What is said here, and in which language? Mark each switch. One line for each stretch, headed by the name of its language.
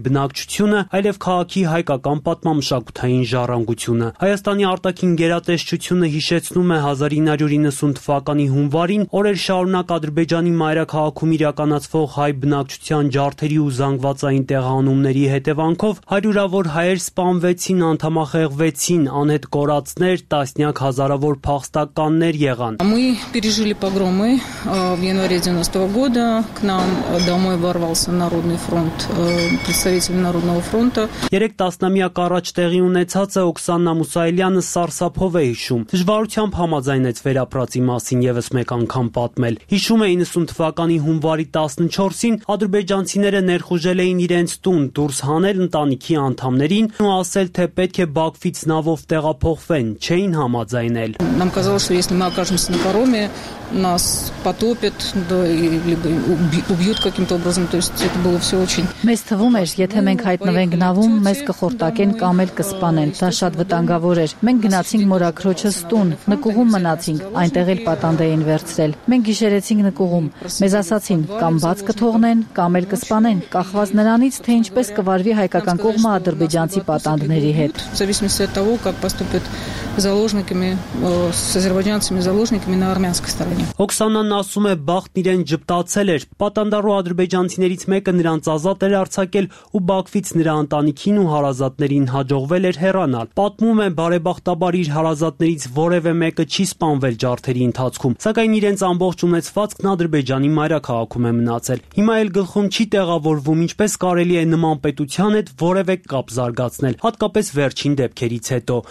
Armenian: բնակչությունը, այլև քաղաքի հայկական պատմամշակութային ժառանգությունը։ Հայաստանի արտաքին գերատեսչությունը հիշեցնում է 1990 թվականի հունվարին օրեր շարունակ Ադրբեջանի մայրաքաղաքում իրականացվող հայ բնակչության ջարդերի ու զանգվածային տեղահանումների հետևանքով հարյուրավոր հայեր սպանվել, վեցին անդամախեղվեցին, անհետ կորածներ, տասնյակ հազարավոր փախստականներ եղան։
Russian: Мы пережили погромы в январе 90-го года. К нам домой ворвался Народный фронт, представитель Народного фронта.
Armenian: 3 տասնամյակ առաջ տեղի ունեցածը Օքսանա Մուսայելյանը սարսափով է հիշում։ Դժվարությամբ համաձայնեց վերապրածի մասին եւս մեկ անգամ պատմել։ Հիշում է 90 թվականի հունվարի 14-ին ադրբեջանցիները ներխուժել էին իրենց տուն, դուրս հանել ընտանիքի անդամներին, ասել, թե պետք է Բաքվից նավով տեղափոխվեն, չէին համաձայնել։
Russian: Нам казалось, что если мы окажемся на пароме, нас потопят, да и либо убьют каким-то образом, то есть это было всё очень.
Armenian: Մեզ թվում էր, եթե մենք հայտնվենք նավում, մեզ կխորտակեն կամ էլ կսպանեն, դա շատ վտանգավոր էր։ Մենք գնացինք Մորաքրոչս տուն, նկուղում մնացինք, այնտեղ էլ պատանդային վերցրել։ Մենք գիշերեցինք նկուղում, մեզ ասացին, կամ բաց կթողնեն, կամ էլ կսպանեն, կախված նրանից, թե ինչպես կվարվի հայկական կողմը ադրբեջանցի патандների հետ։
Russian: В зависимости от того, как поступят заложниками с азербайджанцами, заложниками на армянской стороне։
Armenian: Օքսանան ասում է, բախտն իրեն ճպտացել էր, պատանդարու ադրբեջանցիներից մեկը նրանց ազատ էր արձակել ու Բաքվից նրա ընտանիքին ու հարազատներին հաջողվել էր հեռանալ։ Պատմում է, բարեբախտաբար իր հարազատներից որևէ մեկը չի սպանվել ջարդերի ընթացքում, սակայն իրենց ամբողջ ունեցվածքն ադրբեջանի մայրաքաղաքում է մնացել։ Հիմա էլ գլխում չի տեղավորվում, ինչպես կարելի է նման պետության հետ որևէ կապ զարգացնել, հատկապես վերջին դեպքերից հետո։